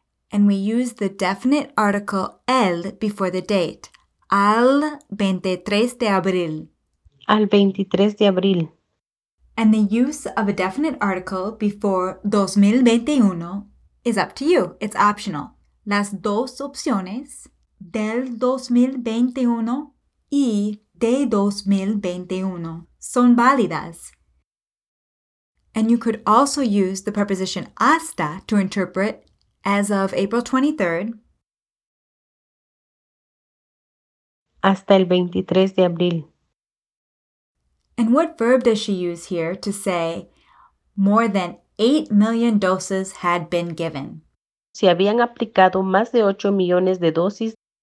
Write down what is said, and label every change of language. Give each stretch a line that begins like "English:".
English: And we use the definite article el before the date.
Spanish: Al 23 de abril. Al 23 de abril.
English: And the use of a definite article before 2021 is up to you. It's optional.
Spanish: Las dos opciones, del 2021 y de 2021, son válidas.
English: And you could also use the preposition hasta to interpret as of April 23rd.
Spanish: Hasta el 23 de abril.
English: And what verb does she use here to say more than 8 million doses had been given?
Spanish: Se habían aplicado más de 8 millones de dosis.